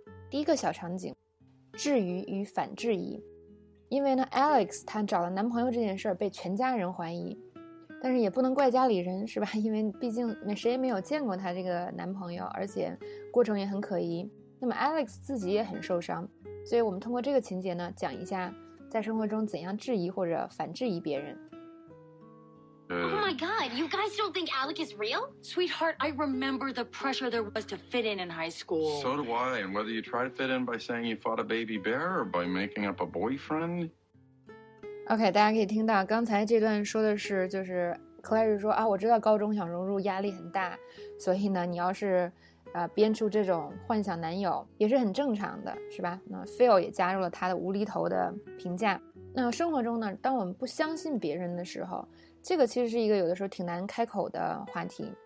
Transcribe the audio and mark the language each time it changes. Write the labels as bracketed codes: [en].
[zh] 第一个小场景，质疑与反质疑。因为呢 ，Alex 她找了男朋友这件事儿被全家人怀疑，但是也不能怪家里人是吧？因为毕竟谁也没有见过她这个男朋友，而且过程也很可疑。那么 Alex 自己也很受伤。所以我们通过这个情节呢，讲一下在生活中怎样质疑或者反质疑别人。 [en] Oh my god, you guys don't think Alec is real? Sweetheart, I remember the pressure there was to fit in high school. So do I, and whether you try to fit in by saying you fought a baby bear or by making up a boyfriend. [zh] OK, 大家可以听到刚才这段说的是就是 Clary 说啊，我知道高中想融入压力很大，所以呢你要是编出这种幻想男友也是很正常的是吧。那 Phil 也加入了他的无厘头的评价。那生活中呢，当我们不相信别人的时候，这个其实是一个有的时候挺难开口的话题。